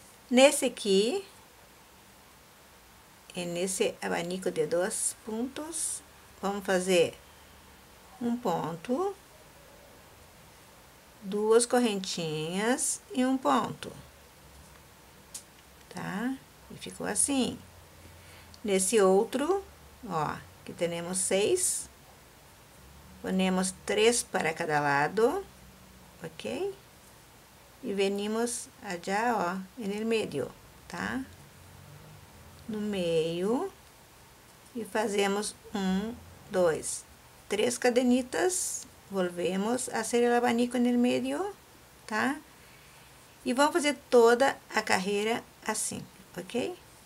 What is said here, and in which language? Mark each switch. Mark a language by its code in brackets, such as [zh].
[pt] Nesse aqui, e nesse abanico de dois pontos, vamos fazer um ponto, duas correntinhas e um ponto, tá? E ficou assim. Nesse outro, ó, que temos seis, [es] ponemos três para cada lado, [pt] ok? [es] E venimos allá, ó, en el medio, tá? [pt] No meio, e fazemos um, dois, três cadenitas, [es] volvemos a ser [pt] o abanico no meio, tá? E vamos fazer toda a carreira assim, ok?